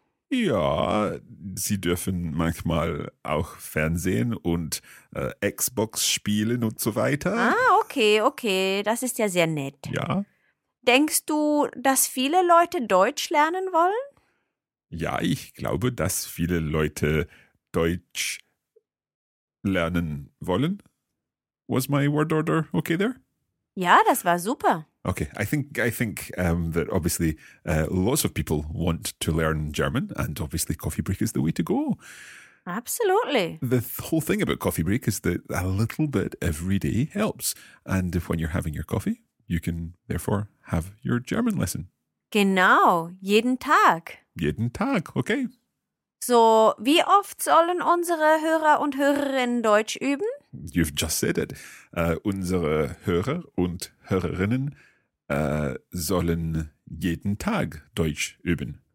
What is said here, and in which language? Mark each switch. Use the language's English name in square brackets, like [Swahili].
[German] Ja, sie dürfen manchmal auch fernsehen und Xbox spielen und so weiter. Ah, okay, okay. Das ist ja sehr nett. Ja. Denkst du, dass viele Leute Deutsch lernen wollen? Ja, ich glaube, dass viele Leute Deutsch lernen wollen. [English] Was my word order okay there? [German] Ja, das war super. [English] Okay, I think that obviously lots of people want to learn German and obviously Coffee Break is the way to go. Absolutely. The whole thing about Coffee Break is that a little bit every day helps. And if when you're having your coffee, you can therefore have your German lesson. [German] Genau, jeden Tag. Jeden Tag, okay. So, wie oft sollen unsere Hörer und Hörerinnen Deutsch üben? [English] You've just said it. [German] Unsere Hörer und Hörerinnen sollen jeden Tag Deutsch üben.